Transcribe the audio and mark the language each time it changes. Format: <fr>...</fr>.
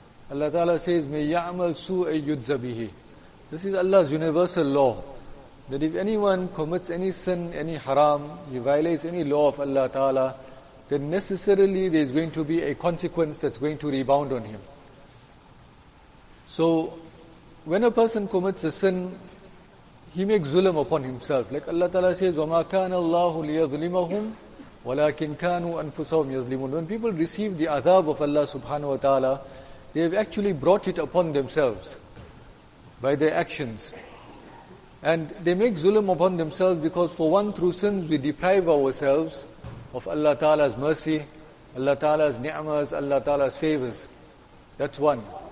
<en>Allah Ta'ala says,</en> <ar>may ya'mal su'a yudza bihi.</ar> <en>This is Allah's universal law, that if anyone commits any sin, any haram, he violates any law of Allah Ta'ala, then necessarily there is going to be a consequence that's going to rebound on him. So, when a person commits a sin, he makes zulm upon himself. Like Allah Ta'ala says,</en> <ar>وَمَا كَانَ اللَّهُ لِيَظْلِمَهُمْ وَلَكِنْ كَانُوا أَنفُسَهُمْ يَظْلِمُونَ.</ar> <en>When people receive the adhab of Allah Subhanahu Wa Ta'ala, they have actually brought it upon themselves by their actions. And they make zulm upon themselves because for one, through sins, we deprive ourselves of Allah Ta'ala's mercy, Allah Ta'ala's ni'mas, Allah Ta'ala's favors. That's one.</en>